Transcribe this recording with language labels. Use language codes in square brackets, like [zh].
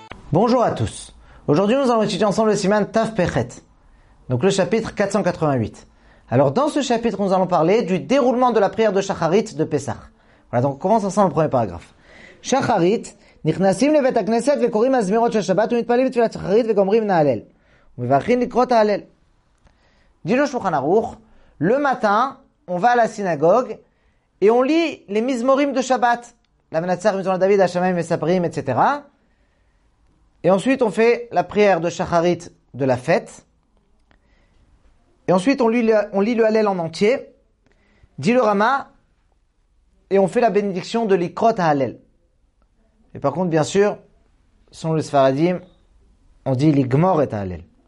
[fr] Bonjour à tous. Aujourd'hui, nous allons étudier ensemble le Siman Taf Pechet, donc le chapitre 488. Alors, dans ce chapitre, nous allons parler du déroulement de la prière de Shacharit de Pessah. Voilà, donc on commence ensemble le premier paragraphe. Shacharit. [he] נכנסים לבית הכנסת וקוראים מזמירות של שבת ומתפללים תפילת שחרית וגומרים נהלל. ומברכים לקרוא תהלל. דינו שולחן ערוך, [fr] le matin, on va à la synagogue et on lit les מזמורים de שבת. [he] La מנצח מזמור דוד, השמיים מספרים, etc. [fr] Et ensuite, on fait la prière de שחרית de la fête. Et ensuite, on lit le הלל en entier. Dit le Rama et on fait la bénédiction de לקרוא תהלל. Et par contre, bien sûr, selon le Sfaradim, on dit l'igmor et ta'alel.